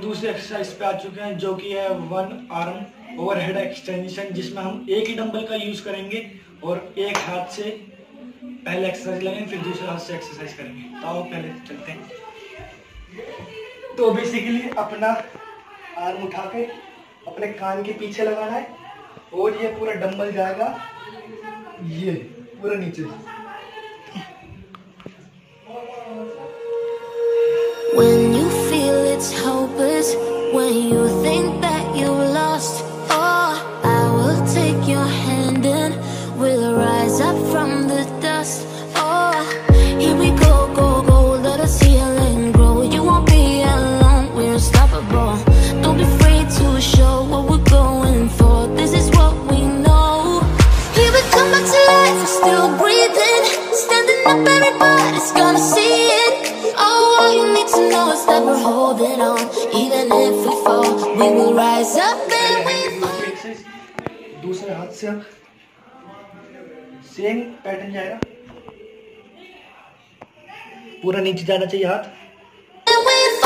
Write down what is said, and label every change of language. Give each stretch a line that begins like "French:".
Hindi: दूसरे एक्सरसाइज पे आ चुके हैं जो कि है वन आर्म ओवरहेड एक्सटेंशन, जिसमें हम एक ही डंबल का यूज करेंगे और एक हाथ से पहले एक्सरसाइज लगेंगे फिर दूसरे हाथ से एक्सरसाइज करेंगे। तो आओ पहले चलते हैं। तो बेसिकली अपना आर्म उठा के अपने कान के पीछे लगाना है और ये पूरा डंबल जाएगा ये पूरा नीचे।
English: When you feel it's hopeless, when you think that you've lost, oh, I will take your hand and we'll rise up from the dust. Oh, here we go, go, go, let us heal and grow. You won't be alone, we're unstoppable. Don't be afraid to show what we're going for. This is what we know. Here we come back to life, we're still breathing. Standing up, everybody's gonna see it. All you need to know is that we're holding on. Even if we fall, we will rise up and we fall.
Hindi: दूसरे हाथ से आप same pattern जाएगा, पूरा नीचे जाना चाहिए हाथ।